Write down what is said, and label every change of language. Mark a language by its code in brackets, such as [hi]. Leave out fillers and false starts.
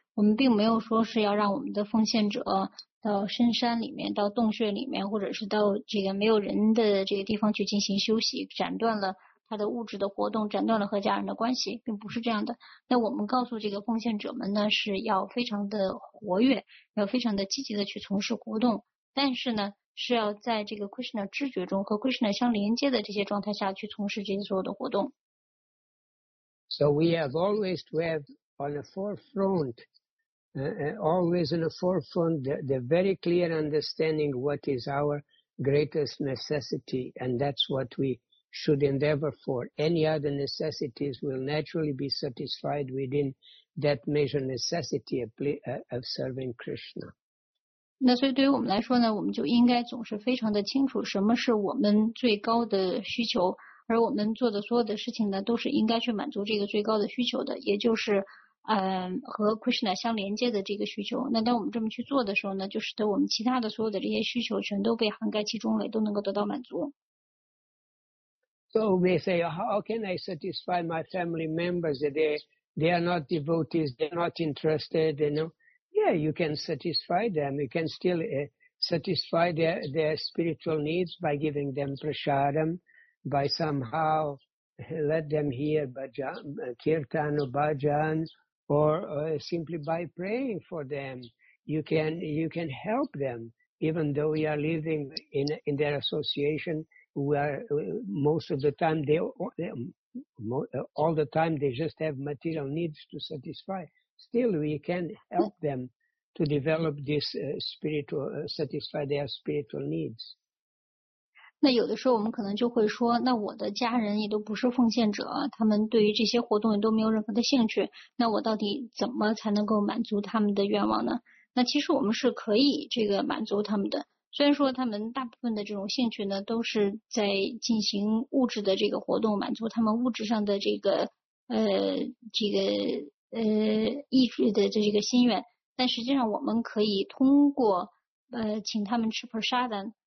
[zh] 我们并没有说是要让我们的奉献者到深山里面、到洞穴里面，或者是到这个没有人的这个地方去进行休息，斩断了他的物质的活动，斩断了和家人的关系，并不是这样的。那我们告诉这个奉献者们呢，是要非常的活跃，要非常的积极的去从事活动，但是呢，是要在这个 Krishna 知觉中和 Krishna 相连接的这些状态下去从事这些所有的活动。 [en] So we have always to have on the forefront, always in the forefront, the very clear understanding what is our greatest necessity, and that's what we should endeavor for. Any other necessities will naturally be satisfied within that major necessity of serving Krishna. [zh] 那所以对于我们来说呢，我们就应该总是非常的清楚什么是我们最高的需求。而我们做的所有的事情呢，都是应该去满足这个最高的需求的，也就是和 Krishna 相连接的这个需求。那当我们这么去做的时候呢，就使得我们其他的所有的这些需求全都被涵盖其中了，都能够得到满足。 [en] So we say, how can I satisfy my family members? They are not devotees, they're not interested, you know? Yeah, you can satisfy them. You can still satisfy their spiritual needs by giving them prasadam. By somehow let them hear bhajan, kirtan or bhajan, or simply by praying for them, you can help them. Even though we are living in their association, we are most of the time they just have material needs to satisfy. Still, we can help them to develop this spiritual, satisfy their spiritual needs. [zh] 那有的时候我们可能就会说，那我的家人也都不是奉献者，他们对于这些活动也都没有任何的兴趣，那我到底怎么才能够满足他们的愿望呢？那其实我们是可以这个满足他们的，虽然说他们大部分的这种兴趣呢，都是在进行物质的这个活动，满足他们物质上的这个意志的这个心愿，但实际上我们可以通过请他们吃 prasadam。